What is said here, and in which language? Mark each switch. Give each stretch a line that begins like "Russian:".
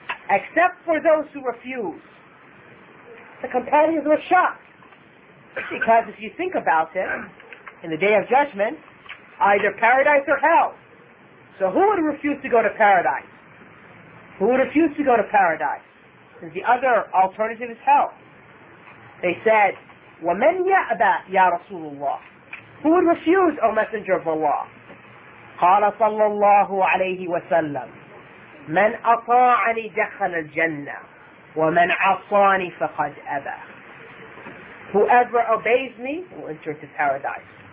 English: Except for those who refuse. The companions were shocked. Because if you think about it, in the Day of Judgment, either paradise or hell. So who would refuse to go to paradise? Who would refuse to go to paradise? And the other alternative is hell. They said,
Arabic: وَمَنْ يَعْبَى يَا رَسُولُ اللَّهِ.
English: Who would refuse, O Messenger of Allah?
Arabic: قَالَ صَلَّى اللَّهُ عَلَيْهِ وَسَلَّمَ مَنْ أَطَاعَنِي دَخَلَ الْجَنَّةِ وَمَنْ عَصَانِي فَقَدْ أَبَى.
English: Whoever obeys me will enter into paradise.